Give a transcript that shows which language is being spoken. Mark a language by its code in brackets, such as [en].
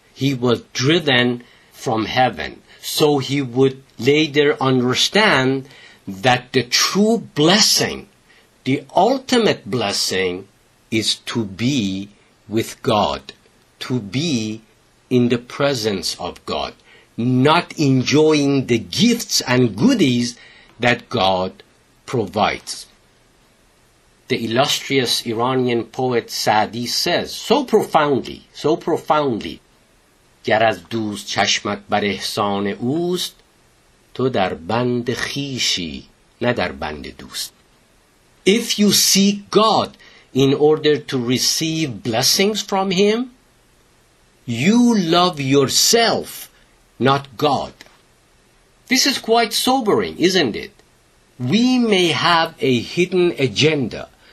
[en] He was driven from heaven. So he would later understand that the true blessing, the ultimate blessing, is to be with God, to be in the presence of God, not enjoying the gifts and goodies that God provides. The illustrious Iranian poet Saadi says so profoundly, [fa] گر از دوست چشمت بر احسان اوست تو در بند خیشی نه در بند دوست. [en] If you seek God in order to receive blessings from him, you love yourself, not God. This is quite sobering, isn't it? We may have a hidden agenda.